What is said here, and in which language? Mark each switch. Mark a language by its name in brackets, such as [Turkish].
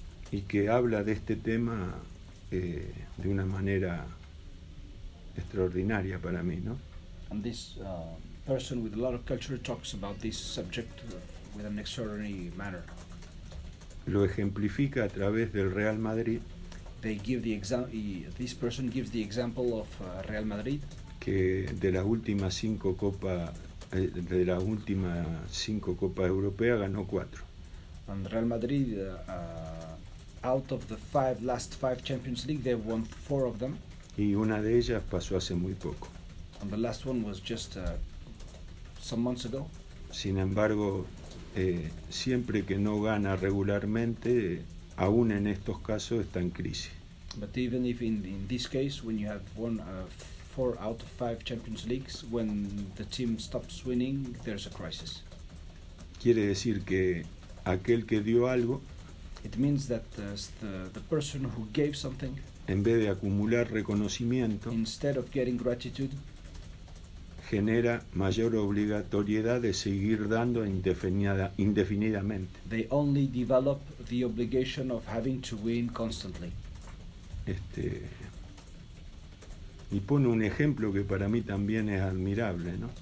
[Spanish] Y que habla de este tema de una manera extraordinaria para mí, ¿no? [English] And this person with a lot of culture talks about this subject with an extraordinary manner. [Spanish] Lo ejemplifica a través del Real Madrid. [English] They give the this person gives the example of Real Madrid. [Spanish] Que de las últimas cinco copas europeas ganó cuatro. [English] And Real Madrid, out of the last five Champions League, they won four of them. [Spanish] Y una de ellas pasó hace muy poco. [English] And the last one was just some months ago. [Spanish] Sin embargo, siempre que no gana regularmente, aún en estos casos está en crisis. [English] But even if in this case, when you have won four out of five Champions Leagues, when the team stops winning, there's a crisis. [Spanish] Quiere decir que aquel que dio algo, [English] it means that the person who gave something, [Spanish] en vez de acumular reconocimiento, [English] instead of getting gratitude, [Spanish] genera mayor obligatoriedad de seguir dando indefinidamente. [English] They only develop the obligation of having to win constantly. [Spanish] Y pone un ejemplo que para mí también es admirable, ¿no?